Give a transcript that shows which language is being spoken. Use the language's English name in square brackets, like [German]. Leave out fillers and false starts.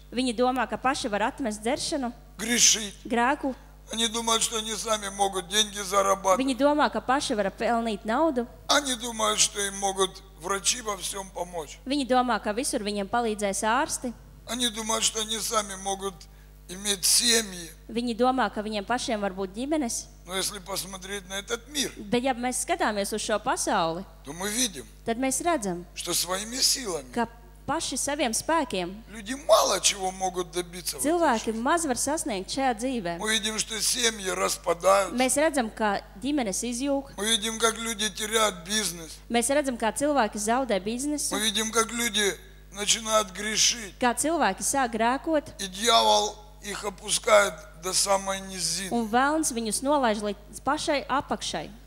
[Latvian] Viņi domā, ka paši var atmest dzeršanu. [Russian] грешить. Грагу. Они думают, что они сами могут деньги зарабатывать. [Latvian] Viņi domā, ka paši var pelnīt naudu. [Russian] Они думают, что им могут врачи во всем помочь. [Latvian] Viņi domā, ka visur viņiem palīdzēs ārsti. [Russian] Они думают, что они сами могут иметь семьи. [Latvian] Viņi domā, ka viņiem pašiem var būt ģimenes. [Russian] Но если посмотреть на этот мир, [Latvian] bet ja mēs skatāmies uz šo pasauli, [Russian] то мы видим, [Latvian] tad mēs redzam, [Russian] что своими силами, [Latvian] ka paši saviem spēkiem, [Russian] люди мало чего могут добиться. [Latvian] Cilvēki maz var sasniegt šajā dzīvē. [Russian] Мы видим, что семьи распадаются. [Latvian] Mēs redzam, ka ģimenes izjūg. [Russian] Мы видим, как люди теряют бизнес. [Latvian] Mēs redzam, kā cilvēki zaudē biznesu. [Russian] Мы видим, как люди начинают грешить. [Latvian] Kā cilvēki sāk grēkot. [Russian] И дьявол их опускает до самой низины. [Latvian] Un velns viņus nolaiž līdz pašai apakšai.